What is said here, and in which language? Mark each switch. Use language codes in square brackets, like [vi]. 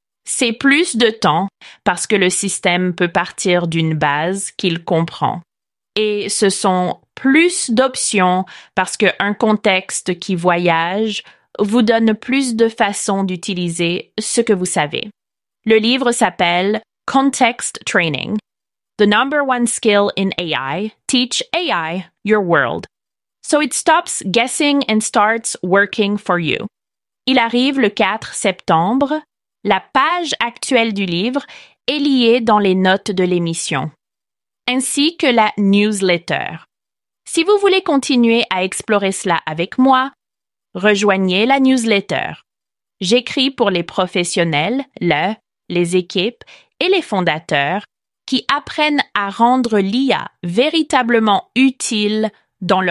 [fr] C'est plus de temps parce que le système peut partir d'une base qu'il comprend. Et ce sont plus d'options parce qu'un contexte qui voyage vous donne plus de façons d'utiliser ce que vous savez. Le livre s'appelle « Context Training ». [en] The number one skill in AI, teach AI your world. So it stops guessing and starts working for you. [fr] Il arrive le 4 septembre. La page actuelle du livre est liée dans les notes de l'émission, ainsi que la newsletter. Si vous voulez continuer à explorer cela avec moi, rejoignez la newsletter. J'écris pour les professionnels, les équipes et les fondateurs qui apprennent à rendre l'IA véritablement utile dans leur propre univers. À la prochaine fois!